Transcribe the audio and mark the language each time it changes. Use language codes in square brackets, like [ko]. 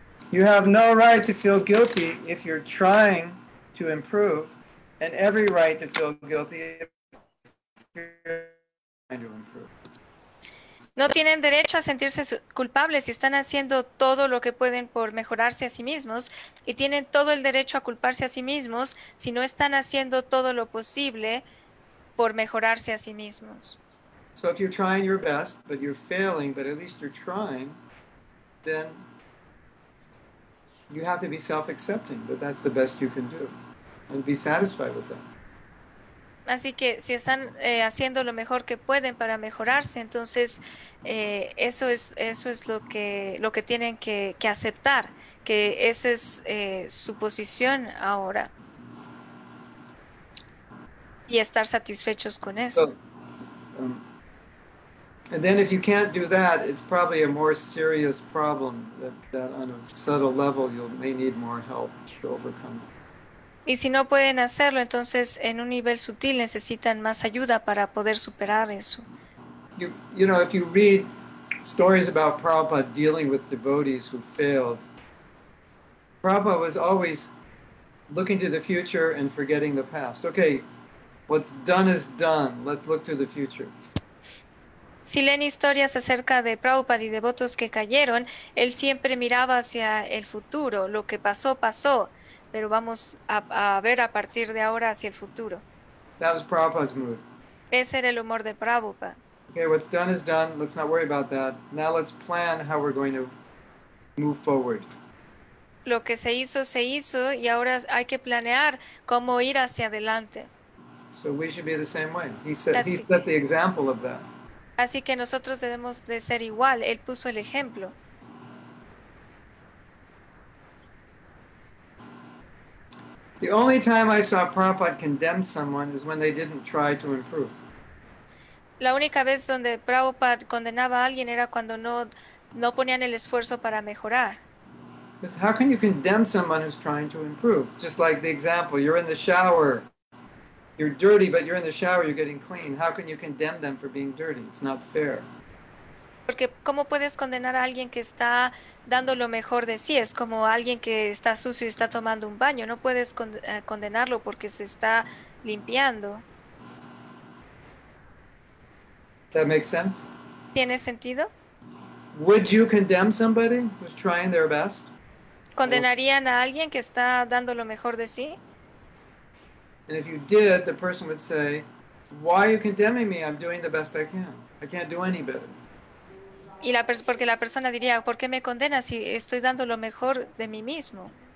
[en] You have no right to feel guilty if you're trying to improve, and every right to feel guilty if you're trying to improve. [es] No tienen derecho a sentirse culpables si están haciendo todo lo que pueden por mejorarse a sí mismos, y tienen todo el derecho a culparse a sí mismos si no están haciendo todo lo posible por mejorarse a sí mismos. [en] So if you're trying your best, but you're failing, but at least you're trying, then you have to be self-accepting that that's the best you can do and be satisfied with that. [es] Así que si están haciendo lo mejor que pueden para mejorarse, entonces eso es lo que tienen que aceptar, que esa es su posición ahora, y estar satisfechos con eso. [en] So, and then if you can't do that, it's probably a more serious problem that on a subtle level you may need more help to overcome. [es] Y si no pueden hacerlo, entonces en un nivel sutil necesitan más ayuda para poder superar eso. [en] You know, if you read stories about Prabhupada dealing with devotees who failed, Prabhupada was always looking to the future and forgetting the past. Okay, What's done is done. Let's look to the future. [es] Si leen historias acerca de Prabhupada y devotos que cayeron, él siempre miraba hacia el futuro. Lo que pasó, pasó. Pero vamos a ver a partir de ahora hacia el futuro. [en] That was Prabhupada's mood. [es] Ese era el humor de Prabhupada. [en] Okay, what's done is done. Let's not worry about that. Now let's plan how we're going to move forward. [es] Lo que se hizo, y ahora hay que planear cómo ir hacia adelante. [en] So we should be the same way. He set the example of that. [es] Así que nosotros debemos de ser igual. Él puso el ejemplo. [en] The only time I saw Prabhupada condemn someone is when they didn't try to improve. [es] La única vez donde Prabhupada condenaba a alguien era cuando no ponían el esfuerzo para mejorar. [en] Because how can you condemn someone who's trying to improve? Just like the example, you're in the shower. You're dirty, but you're in the shower, you're getting clean. How can you condemn them for being dirty? It's not fair. [es] Porque ¿cómo puedes condenar a alguien que está dando lo mejor de sí? Es como alguien que está sucio y está tomando un baño. No puedes condenarlo porque se está limpiando. [en] That makes sense? [es] ¿Tiene sentido? [en] Would you condemn somebody who's trying their best? [es] ¿Condenarían a alguien que está dando lo mejor de sí? [en] And if you did, the person would say, why are you condemning me? I'm doing the best I can. I can't do any better. [es] Y porque la persona diría, ¿por qué me condenas si estoy dando lo mejor de mí mismo?